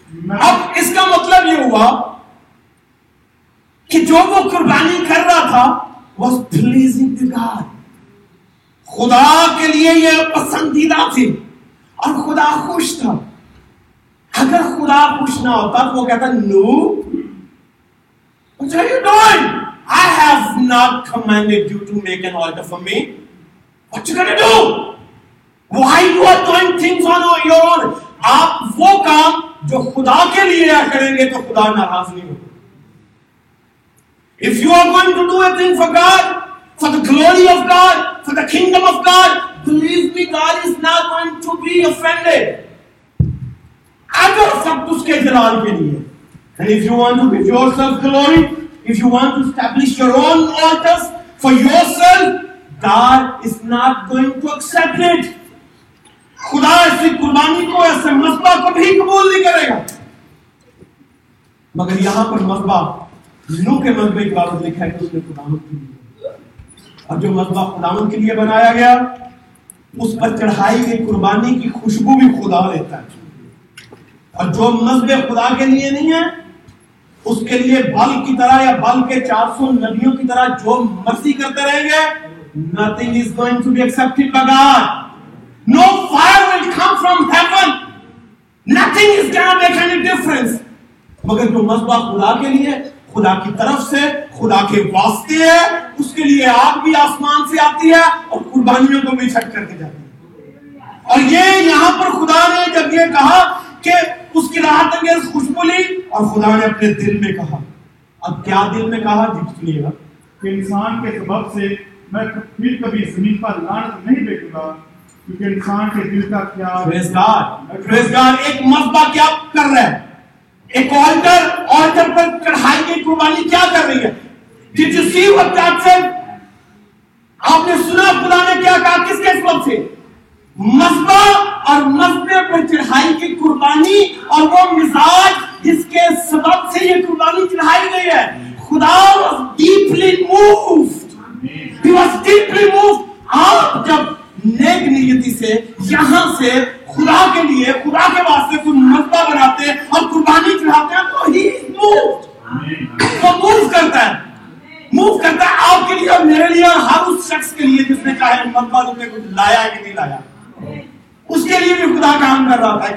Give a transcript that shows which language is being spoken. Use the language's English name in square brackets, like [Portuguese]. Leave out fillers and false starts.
[Urdu] اب اس کا مطلب یہ ہوا کہ جو وہ قربانی کر رہا تھا [English] was pleasing to God. [Urdu] خدا کے لیے یہ پسندیدہ تھی اور خدا خوش تھا. اگر خدا خوش نہ ہوتا تو وہ کہتا نو, [English] what are you doing? I have not commanded you to make an altar for me. What are you going to do? Why you are doing things on your own? [Urdu] آپ وہ کام جو خدا کے لیے کریں گے تو خدا ناراض نہیں ہوگا. [English] If you are going to do a thing for God, for the glory of God, for the kingdom of God, believe me, God is not going to be offended. [Urdu] اگر سب اس کے جلال کے لیے, [English] and if you want to give yourself glory, if you want to establish your own altars for yourself, God is not going to accept it. [Urdu] خدا ایسی قربانی کو, ایسے مذبح کو بھی قبول نہیں کرے گا. مگر یہاں پر مذبح نوح کے مذبح کے بارے میں لکھا ہے کہ اس نے خداوند کے لیے, اور جو مذبح خداوند کے لیے بنایا گیا اس پر چڑھائی گئی قربانی کی خوشبو بھی خدا لیتا ہے, اور جو مذبح خدا کے لیے نہیں ہے اس کے لیے بل کی طرح یا بل کے 400 نبیوں کی طرح جو مرضی کرتے رہیں گے, [English] nothing is going to be accepted by God. No fire will come from heaven. Nothing is going to make any difference. [Urdu] مگر جو مذبح خدا کے لیے, خدا کی طرف سے, خدا کے واسطے ہے, اس کے لیے آگ بھی آسمان سے آتی ہے اور قربانیوں کو بھی چھٹ کر کے جاتی ہے. اور یہاں پر خدا نے جب یہ کہا کہ اس کی راحت انگیز خوشبو لی اور خدا نے اپنے دل میں کہا, اب کیا دل میں کہا جی, سنیے گا, کہ انسان کے سبب سے میں پھر کبھی زمین پر لعنت نہیں بھیجوں گا. انسان کے دل کا کیا, پریز گاڈ, پریز گاڈ. ایک مذبح کیا کر رہا ہے, ایک آلٹر, آلٹر پر چڑھائی گئی قربانی کیا کر رہی ہے. [English] Did you see what God said? [Urdu] آپ نے سنا خدا نے کیا کہا, کس کے سبب سے؟ مذبح اور مذبح پر چڑھائی گئی قربانی اور وہ مزاج جس کے سبب سے یہ قربانی چڑھائی گئی ہے. خدا [English] was deeply moved. He was deeply moved. [Urdu] آپ جب نیک نیتی سے یہاں سے خدا کے لیے, خدا کے واسطے کوئی مذبح بناتے اور قربانی چڑھاتے ہیں تو ہی موو موو کرتا ہے, موو کرتا ہے آپ کے لیے اور میرے لیے, ہر اس شخص کے لیے جس نے چاہے مذبح روپ میں کچھ لایا کہ نہیں لایا, اس کے لیے بھی خدا کام کر رہا ہے.